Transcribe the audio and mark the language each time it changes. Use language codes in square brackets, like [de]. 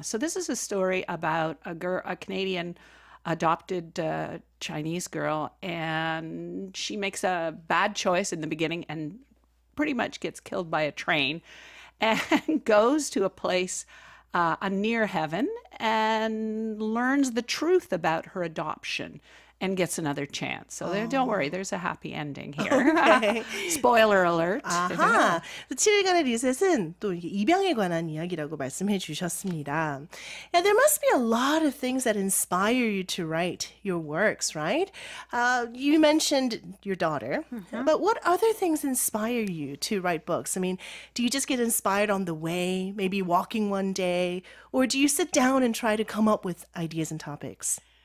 [en] So this is a story about a Canadian adopted Chinese girl, and she makes a bad choice in the beginning and pretty much gets killed by a train and goes to a place, a near heaven, and learns the truth about her adoption and gets another chance. So don't worry, there's a happy ending here. Okay. Spoiler alert. 아하. [ko] 7일간의 리셋은 또 입양에 관한 이야기라고 말씀해 주셨습니다. [en] Yeah, there must be a lot of things that inspire you to write your works, right? You mentioned your daughter, but what other things inspire you to write books? I mean, do you just get inspired on the way, maybe walking one day, or do you sit down and try to come up with ideas and topics?